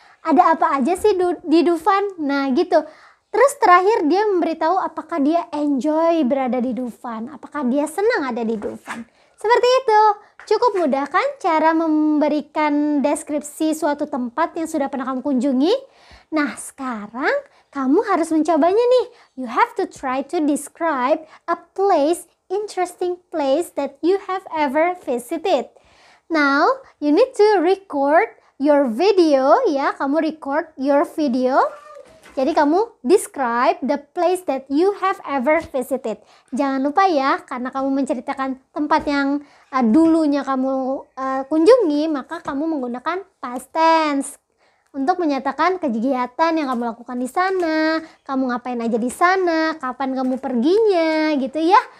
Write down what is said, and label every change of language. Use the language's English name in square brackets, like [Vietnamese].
[Indonesian] Ada apa aja sih di Dufan? Nah, gitu. Terus terakhir dia memberitahu apakah dia enjoy berada di Dufan, apakah dia senang ada di Dufan. Seperti itu, cukup mudah kan cara memberikan deskripsi suatu tempat yang sudah pernah kamu kunjungi? Nah sekarang kamu harus mencobanya nih. [English] You have to try to describe a place, interesting place that you have ever visited. Now you need to record your video ya, kamu record your video. [Indonesian] Jadi kamu [English] describe the place that you have ever visited. [Indonesian] Jangan lupa ya, karena kamu menceritakan tempat yang dulunya kamu kunjungi, maka kamu menggunakan past tense untuk menyatakan kegiatan yang kamu lakukan di sana, kamu ngapain aja di sana, kapan kamu perginya, gitu ya.